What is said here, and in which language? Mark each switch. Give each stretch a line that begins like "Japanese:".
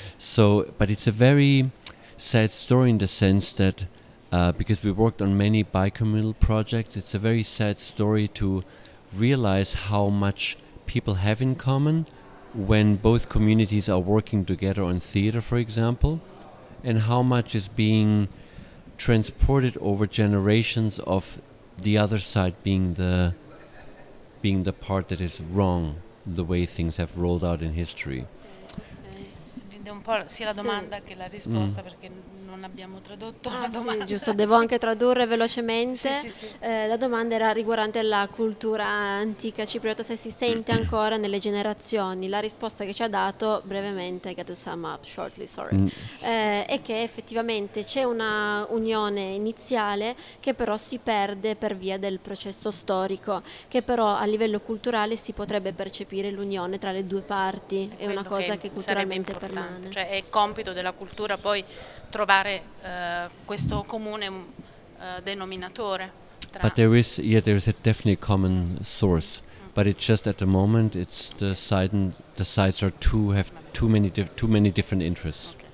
English: So, but it's a very sad story in the sense that because we worked on many bicommunal projects, it's a very sad story to realize how much people have in common when both communities are working together on theater, for example, and how much is being transported over generations of the other side being the part that is wrong, the way things have rolled out in history.
Italian: Quindi è un po' sia la domanda che la risposta, perché non abbiamo tradotto la domanda. Sì, giusto, devo anche tradurre velocemente. La domanda era riguardante la cultura antica cipriota, se si sente ancora nelle generazioni. La risposta che ci ha dato brevemente,
English: got to sum up shortly, sorry,
Italian: è che effettivamente c'è una unione iniziale che però si perde per via del processo storico, che però a livello culturale si potrebbe percepire l'unione tra le due parti. È una cosa che culturalmente permane. Cioè è compito della cultura poi trovare questo comune denominatore. Tra
English: but there is, yeah, there is a definitely common source, but it's just at the moment it's the side, and the sides are too, have too many different interests.